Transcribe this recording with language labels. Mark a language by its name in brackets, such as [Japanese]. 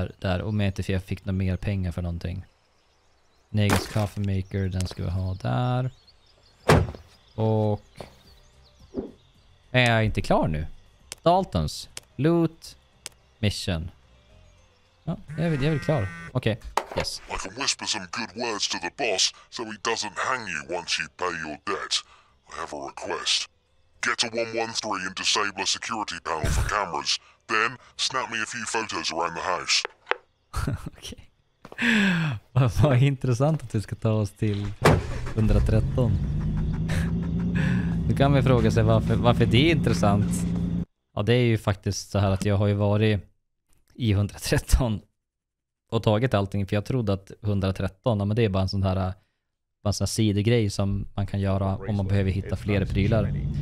[Swedish] Där, om jag inte fick några mer pengar för någonting. Negus Coffee Maker, den ska vi ha där. Och... Är jag inte klar nu? Daltons. Loot. mission. Ja, jag är väl klar. Okej. Yes. [English] I can whisper some good words to the boss so he doesn't hang you once you pay your debt. I have a request. Get to 113 and disable a security panel for cameras. Then snap me a few photos around the house. [Swedish] Okej. Vad intressant att vi ska ta oss till 113. Nu kan man fråga sig varför det är intressant. Ja, det är ju faktiskt så här att jag har ju varit i 113 och tagit allting, för jag trodde att 113, ja, men det är bara en sån här sidegrej som man kan göra om man behöver hitta fler prylar.